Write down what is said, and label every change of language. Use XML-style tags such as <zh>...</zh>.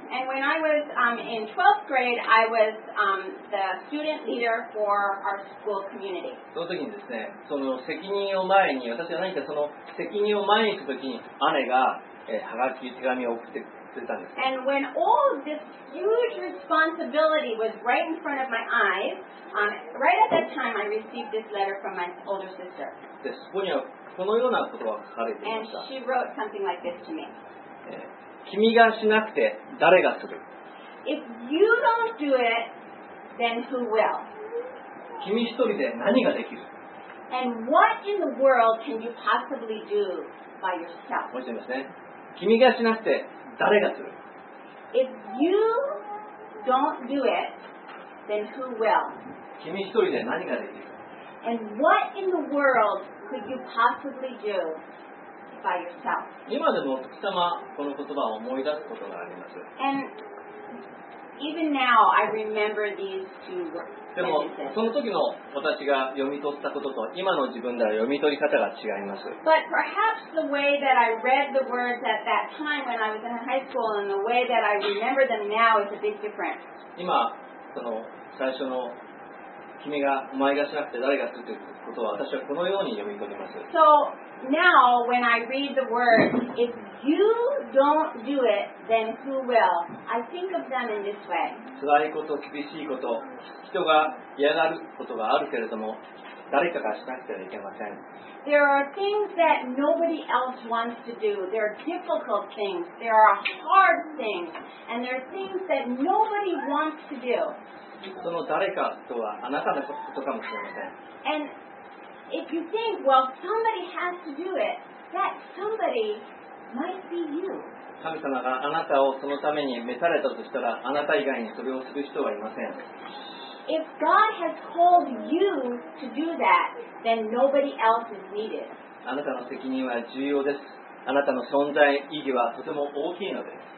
<en>And when I was in 12th grade, I was the student leader for our school community.</en> <ja>その時にですね、その責任を前に、私は何かその責任を前にした時に、姉が、はがき手紙を送ってくれたんです。</ja> <en>And when all this huge responsibility was right in front of my eyes, right at that time I received this letter from my older sister.</en> <ja>で、そこにはこのようなことが書かれていました。</ja> <en>And she wrote something like this to me.</en> <ja>君がしなくて誰がする?</ja> <en>If you don't do it, then who will?</en> <ja>君一人で何ができる?</ja> <en>And what in the world can you possibly do by yourself?</en> <ja>もう一度ですね。君がしなくて誰がする?</ja> <en>If you don't do it, then who will?</en> <ja>君一人で何ができる?</ja> <en>And what in the world could you possibly do by yourself?</en> <ja>今でも貴様この言葉を思い出すことがあります。</ja> <en>And even now I remember these two sentences.</en> <ja>でもその時の私が読み取ったことと今の自分では読み取り方が違います。</ja> <en>But perhaps the way that I read the words at that time when I was in high school and the way that I remember them now is a big difference.</en> <ja>今その最初の君がお前がしなくて誰がするということは私はこのように読み取ります。</ja> <en>So now when I read the words, if you don't do it, then who will? I think of them in this way.</en> <ja>辛いこと、厳しいこと、人が嫌がることがあるけれども、誰かがしなくてはいけません。</ja> <en>There are things that nobody else wants to do. There are difficult things. There are hard things. And there are things that nobody wants to do.</en> <ja>その誰かとはあなたのことかもしれません。</ja> <en>And if you think, well, somebody has to do it, that somebody might be you.</en> <ja>神様があなたをそのために召されたとしたら、あなた以外にそれをする人はいません。</ja> <en>If God has called you to do that, then nobody else is needed.</en> <ja>あなたの責任は重要です。あなたの存在意義はとても大きいのです。</ja>